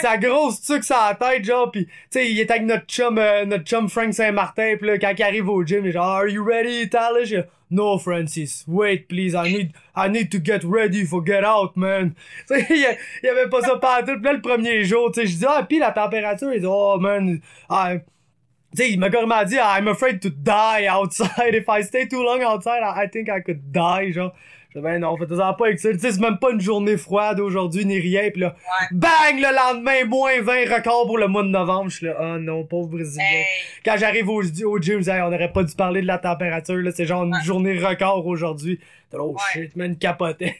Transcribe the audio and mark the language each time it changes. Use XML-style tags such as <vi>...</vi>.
<fr>sa grosse tuque sur la tête, genre, pis, tu sais, il est avec notre chum Frank Saint-Martin, pis là, quand il arrive au gym, il est genre, Are you ready, Talis?</fr> <en>No, Francis, wait, please, I need to get ready for get out, man.</en> <fr>Tu sais, il avait pas ça partout, pis là, le premier jour, tu sais, je dis, ah, pis la température, il dit, oh, man, tu sais, il m'a carrément dit, I'm afraid to die outside.</fr> <en>If I stay too long outside, I think I could die, genre.</en> <fr>Je dis, ben non, faites-en pas avec ça. Tu sais, c'est même pas une journée froide aujourd'hui, ni rien. Puis là, bang, le lendemain, moins 20, record pour le mois de novembre. Je suis là, oh non, pauvre Brésilien. Quand j'arrive au gym, hey, on aurait pas dû parler de la température, là. C'est genre une journée record aujourd'hui. Oh shit, man, capotait.</fr>